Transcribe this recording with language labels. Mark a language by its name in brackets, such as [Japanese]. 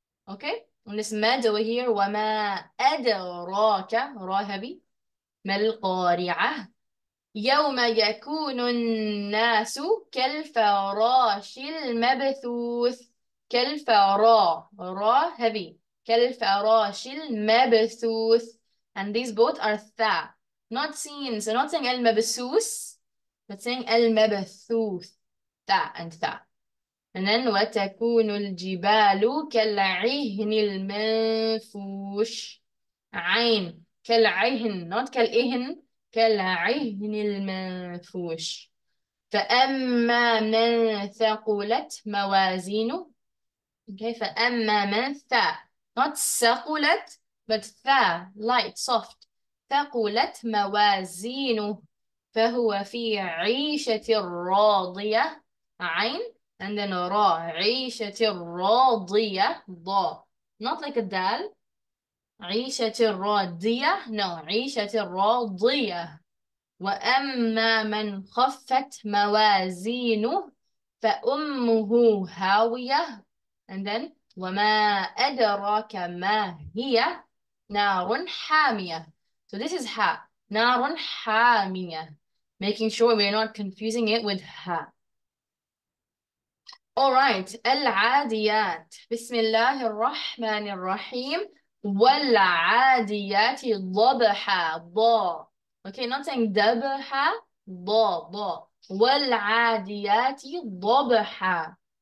[English] okay And this mad over here, [Arabic] وَمَا أَدْرَاكَ رَاهَبِي مَا الْقَارِعَةِ يَوْمَ يَكُونُ النَّاسُ كَالْفَرَاشِ الْمَبْثُوثِ كَالْفَرَاهَبِي كَالْفَرَاشِ الْمَبْثُوثِ [English] And these both are tha, not seen. So not saying المبثوث, but saying المبثوث, tha and tha. And then [Arabic] وَتَكُونُ الْجِبَالُ كَالْعِهْنِ الْمَنْفُوشِ عَيْن كَالْعِهْن not كَالْإِهْن كَالْعِهْنِ الْمَنْفُوشِ فَأَمَّا مَنْ ثَقُلَتْ مَوَازِينُهُ okay فَأَمَّا مَنْ ثَ not ثَقُلَتْ but ثَ [English] light soft [Arabic] ثَقُلَتْ مَوَازِينُهُ فَهُوَ فِي عِيشَةٍ رَاضِيَةٍ عَيْن And then ra, عيشتي الراضية ضا [English] not like a dal. [Arabic] عيشتي الراضية no, عيشتي الراضية. وأما من خفت موازينه فأمه هاوية. [English] And then [Arabic] وما أدراك ما هي نار حامية. [English] So this is ha, [Arabic] نار حامية. [English] Making sure we're not confusing it with ha. All right, [Arabic] العاديات بسم الله الرحمن الرحيم والعاديات ضبحا ضا [English] okay not saying [Arabic] دبحا ضا ضا والعاديات ضبحا